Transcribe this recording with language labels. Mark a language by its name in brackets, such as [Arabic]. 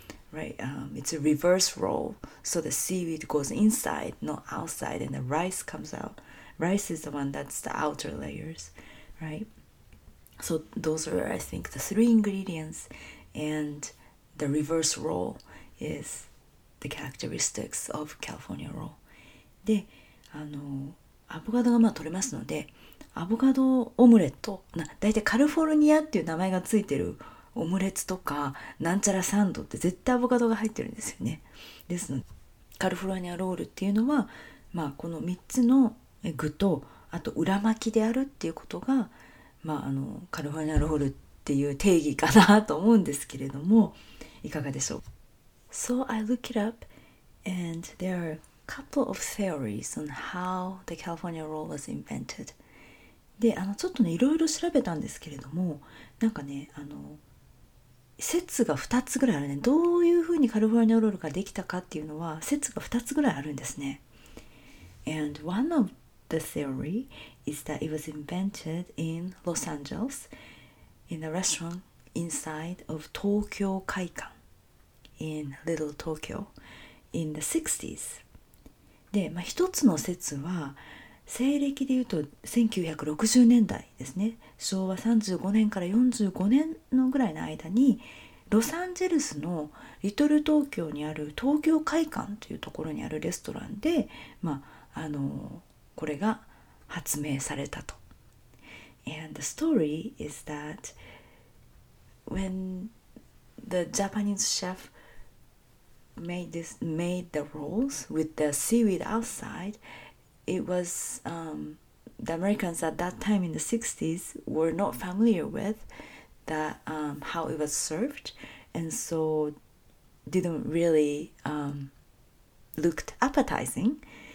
[English] Right, it's a reverse roll, so the seaweed goes inside, not outside, and the rice comes out. Rice is the one that's the outer layers, right? So those are, I think, the three ingredients, and the reverse roll is the characteristics of California roll. [Japanese] で、アボカドがまあ取れますので、アボカドオムレット、だいたいカリフォルニアっていう名前がついてる。オムレツとかなんちゃらサンドって絶対アボカドが入ってるんですよね。ですのでカリフォルニアロールっていうのは、まあ、この3つの具とあと裏巻きであるっていうことが、まあ、カリフォルニアロールっていう定義かなと思うんですけれども、いかがでしょう。 [English] So I look it up and there are a couple of theories on how the California roll was invented. [Japanese] で、ちょっとね、いろいろ調べたんですけれども、なんかね、説が2つぐらいあるね。どういうふうにカリフォルニアロールができたかっていうのは説が2つぐらいあるんですね。 [English] And one of the theory is that it was invented in Los Angeles in a restaurant inside of Tokyo Kaikan in Little Tokyo in the 60s. [Japanese] で、まあ、一つの説は西暦でいうと1960年代ですね。昭和35年から45年のぐらいの間にロサンゼルスのリトル東京にある東京会館というところにあるレストランで、まあ、これが発明されたと。 [English] And the story is that when the Japanese chef made the rolls with the seaweed outsideIt was the Americans at that time in the 60s were not familiar with that, how it was served, and so didn't really looked appetizing.